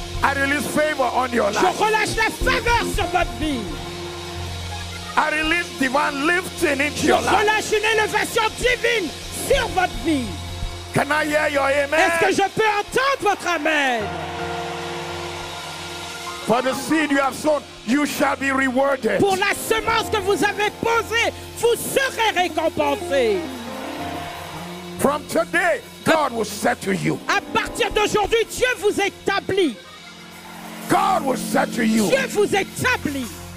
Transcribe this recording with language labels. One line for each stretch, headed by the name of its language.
English: I release favor on your life.
French: Je relâche la faveur sur votre vie.
English: I release divine lifting into your life.
French: Je relâche une élévation divine sur votre vie.
English: Can I hear your amen?
French: Est-ce que je peux entendre votre amen?
English: For the seed you have sown, you shall be rewarded.
French: Pour la semence que vous avez posée, vous serez récompensé.
English: From today, God will set to you.
French: À partir d'aujourd'hui, Dieu vous établit.
English: God will set to you.
French: Dieu vous établit.